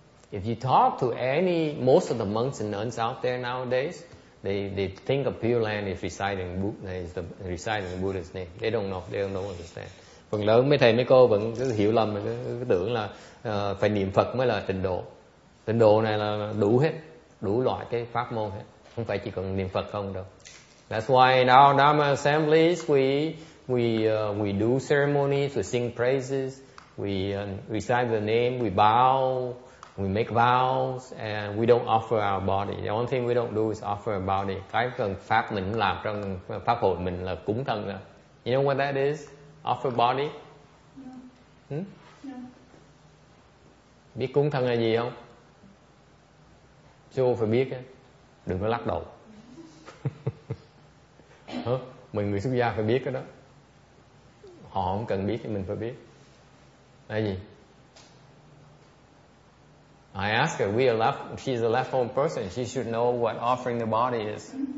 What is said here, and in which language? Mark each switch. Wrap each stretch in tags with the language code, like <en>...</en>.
<en>If you talk to most of the monks and nuns out there nowadays, they think of Pure Land is reciting Buddha's name. They don't understand.</en> <vi>Phần lớn mấy thầy mấy cô vẫn cứ hiểu lầm, cứ tưởng là phải niệm Phật mới là tịnh độ. Tịnh độ này là đủ hết, đủ loại cái pháp môn hết, không phải chỉ cần niệm Phật không đâu.</vi> <en>That's why in our Dharma assemblies we do ceremonies, we sing praises, we recite the name, we bow, we make vows, and we don't offer our body. The only thing we don't do is offer our body.</en> <vi>Cái cần pháp mình làm trong pháp hội mình là cúng thân ra.</vi> <en>You know what that is? Offer body? No. No.</en> <vi>Biết cúng thân là gì không? Chú phải biết á. Đừng có lắc đầu. Mình người xuất gia phải biết cái đó. Họ không cần biết thì mình phải biết. Là gì?</vi> <en>I ask her, she's a left-home person, she should know what offering the body is.</en>